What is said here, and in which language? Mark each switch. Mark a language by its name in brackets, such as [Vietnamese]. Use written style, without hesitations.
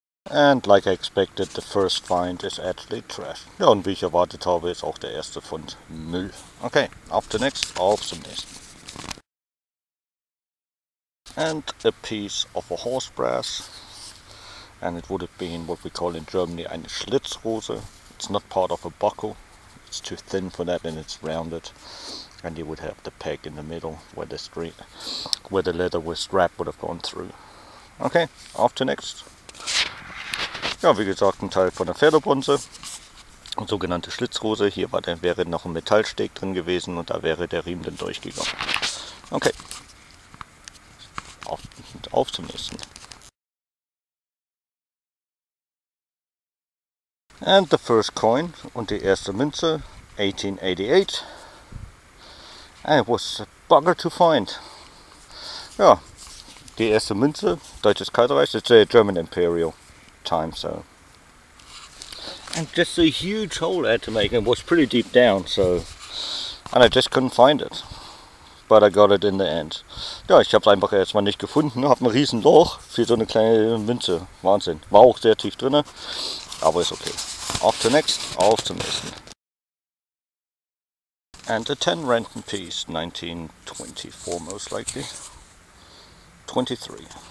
[English] And like I expected, the first find is actually trash. [German] Ja, und wie ich erwartet habe, ist auch der erste Fund Müll. Okay, auf zum nächsten. Auf zum nächsten. [English] And a piece of a horse brass. And it would have been what we call in Germany eine Schlitzhose. It's not part of a buckle. It's too thin for that and it's rounded. And you would have the peg in the middle where the leather with strap would have gone through. [German] Okay, auf zum nächsten. Ja, wie gesagt, ein Teil von der Pferdebronze, sogenannte Schlitzhose. Hier war, wäre noch ein Metallsteg drin gewesen und da wäre der Riemen dann durchgegangen. Okay, auf zum nächsten. [English] And the first coin und die erste Münze, 1888. And it was a bugger to find. Ja, die erste Münze, Deutsches Kaiserreich, it's a German Imperial. Time, so, and just a huge hole I had to make, and it was pretty deep down, so, and I just couldn't find it, but I got it in the end. [German] Ja, ich habe es einfach erstmal nicht gefunden, habe ein riesen Loch für so eine kleine Münze, Wahnsinn, war auch sehr tief drinne, aber ist okay. Auf zum nächsten, auf zum nächsten. [English] And a 10 Renten piece, 1924 most likely, 23.